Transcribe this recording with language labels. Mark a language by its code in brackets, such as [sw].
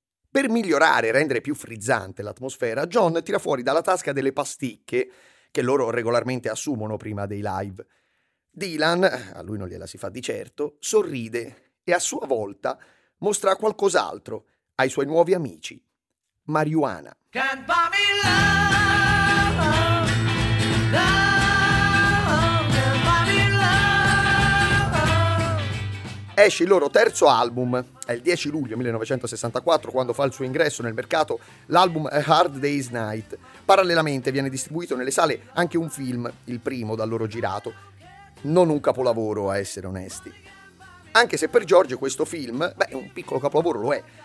[it] Per migliorare e rendere più frizzante l'atmosfera, John tira fuori dalla tasca delle pasticche, che loro regolarmente assumono prima dei live. Dylan, a lui non gliela si fa di certo, sorride e a sua volta mostra qualcos'altro ai suoi nuovi amici. Marijuana. [en] Can't buy me love, love, can't buy me love. [it] Esce il loro terzo album. È il 10 luglio 1964 quando fa il suo ingresso nel mercato l'album A Hard Day's Night. Parallelamente viene distribuito nelle sale anche un film, il primo da loro girato. Non un capolavoro, a essere onesti. Anche se per George questo film, beh, un piccolo capolavoro lo è.